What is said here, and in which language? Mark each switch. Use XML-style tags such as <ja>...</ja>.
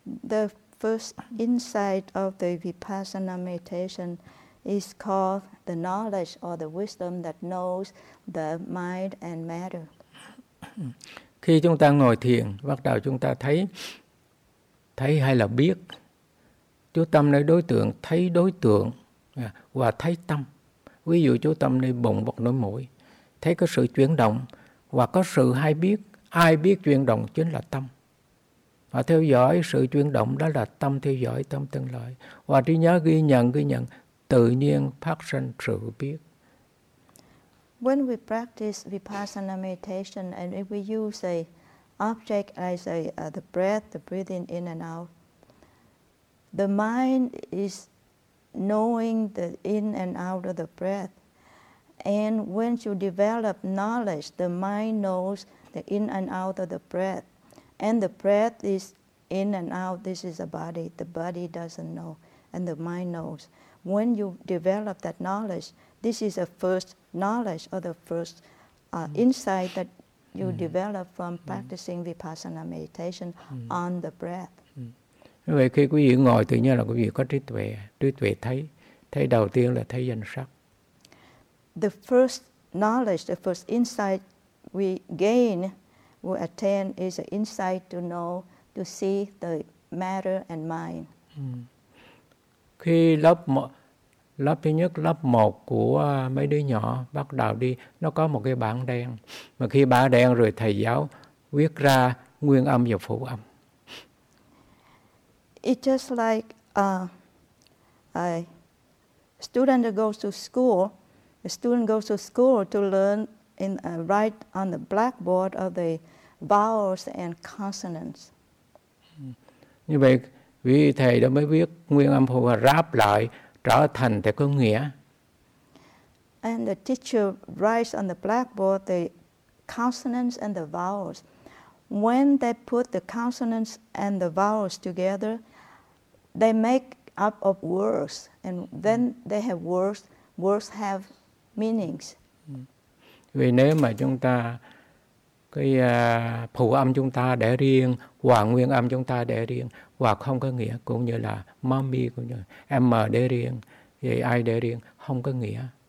<en>The first insight of the Vipassana meditation is called the knowledge or the wisdom that knows the mind and matter.</en> <vi>Khi chúng ta ngồi thiền, bắt đầu chúng ta thấy thấy hay là biết, chú tâm nơi đối tượng, thấy đối tượng và thấy tâm. Ví dụ chú tâm nơi bụng hoặc nơi mũi, thấy có sự chuyển động và có sự hay biết. Ai biết chuyển động chính là tâm. Và theo dõi sự chuyển động đó là tâm theo dõi, tâm tương lợi. Và trí nhớ ghi nhận, tự nhiên phát sinh sự biết.</vi> <en>When we practice Vipassana meditation and if we use a object as the breath, the breathing in and out, The mind is knowing the in and out of the breath. And when you develop knowledge, the mind knows the in and out of the breath. And the breath is in and out. This is a body. The body doesn't know, and the mind knows. When you develop that knowledge, this is a first knowledge or the first insight that you develop from practicing vipassana meditation on the breath.</en> <vi>Vậy khi quý vị ngồi, tự nhiên là quý vị có trí tuệ thấy, thấy đầu tiên là thấy danh sắc.</vi> <en>The first knowledge, the first insight we gain, we attain is an insight to know, to see the matter and mind.</en> <vi>Khi lớp thứ nhất, lớp một của mấy đứa nhỏ bắt đầu đi, nó có một cái bảng đen. Mà khi bảng đen rồi, thầy giáo viết ra nguyên âm và phụ âm.</vi> <en>It's just like a student that goes to school. A student goes to school to learn and write on the blackboard of the vowels and consonants.</en> <vi>Như vậy, vì thầy đã mới viết nguyên âm phụ và ráp lại trở thành thể có nghĩa.</vi> <en>And the teacher writes on the blackboard the consonants and the vowels. When they put the consonants and the vowels together, they make up of words, and then they have words. Words have meanings.</en> <vi>Vì nếu mà chúng ta cái phụ âm chúng ta để riêng và nguyên âm chúng ta để riêng và không có nghĩa, cũng như là mommy, cũng như là m để riêng, vậy ai để riêng không có nghĩa.</vi>